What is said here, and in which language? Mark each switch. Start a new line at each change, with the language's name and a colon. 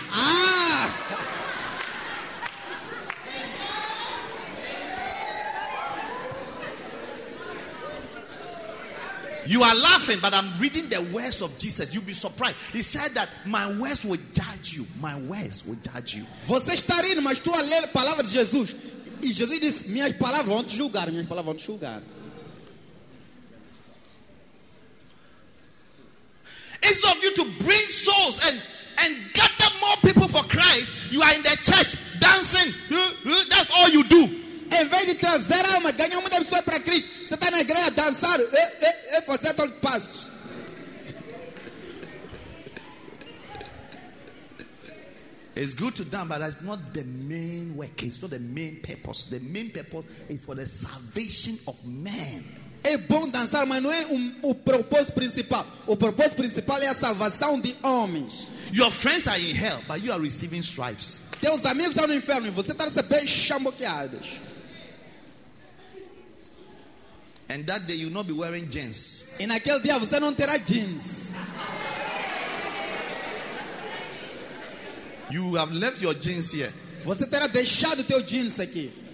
English: Ah. You are laughing, but I'm reading the words of Jesus. You'll be surprised. He said that my words will judge you. My words will judge you.
Portuguese: Você está rindo, mas estou a ler a palavra de Jesus. E Jesus disse, minhas palavras vão te julgar. Minhas palavras vão te julgar.
English: Instead of you to bring souls and gather more people for Christ, you are in the church dancing. That's all you do.
Portuguese: Em vez de trazer alma, ganhar uma pessoa para Cristo, você está na igreja dançar, fazer todo o passo.
English: It's good to dance, but that's not the main work. It's not the main purpose. The main purpose is for the salvation of man.
Portuguese: É bom dançar, mas não é o propósito principal. O propósito principal é a salvação de homens.
English: Your friends are in hell, but you are receiving stripes.
Portuguese: Teus amigos estão no inferno e você está recebendo chamboqueados.
English: And that day you'll not be wearing jeans.
Portuguese: E naquele dia você não terá jeans.
English: You have left your jeans here.
Portuguese: Você terá deixado teu jeans aqui.